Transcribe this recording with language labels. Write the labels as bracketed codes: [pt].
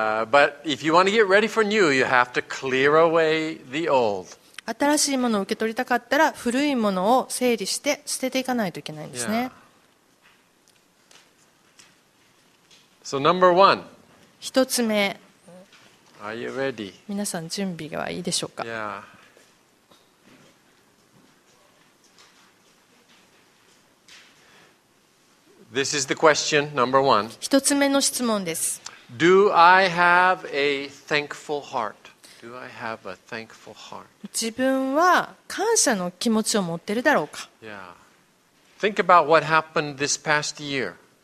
[en] But if you want to get ready for new, you have to clear away the old. [ja] 新しいものを受け取りたかったら古いものを整理して捨てていかないといけないんですね。 [en] Yeah. So number one. [ja] 一つ目。 [en] Are you ready? [ja] 皆さん準備はいいでしょうか。 [en] This is the question number one. [ja] 一つ目の質問です。 [en] Do I have a thankful heart? Do I have a thankful heart? [ja] 自分は感謝の気持ちを持ってるだろうか。 [en] Think about what happened this past year.